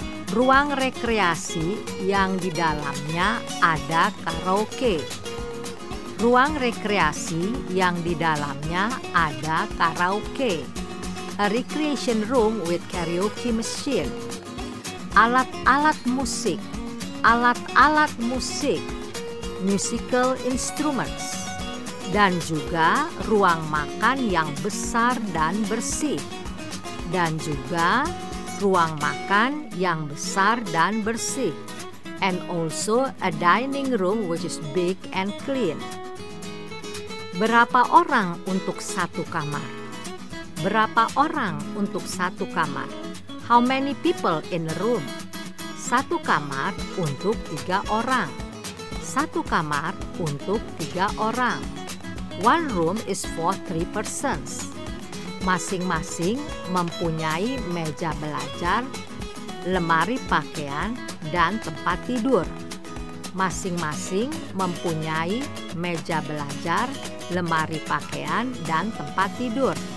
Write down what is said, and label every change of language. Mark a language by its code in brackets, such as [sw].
[id] Ruang rekreasi yang di dalamnya ada karaoke. Ruang rekreasi yang di dalamnya ada karaoke. [en] A recreation room with karaoke machine. [id] Alat-alat musik. Alat-alat musik. [en] Musical instruments. [id] Dan juga ruang makan yang besar dan bersih. Dan juga ruang makan yang besar dan bersih. [en] And also a dining room which is big and clean. [id] Berapa orang untuk satu kamar? Berapa orang untuk satu kamar? [en] How many people in a room? [id] Satu kamar untuk tiga orang. Satu kamar untuk tiga orang. [en] One room is for three persons. [id] Masing-masing mempunyai meja belajar, lemari pakaian, dan tempat tidur. masing-masing mempunyai meja belajar, lemari pakaian, dan tempat tidur.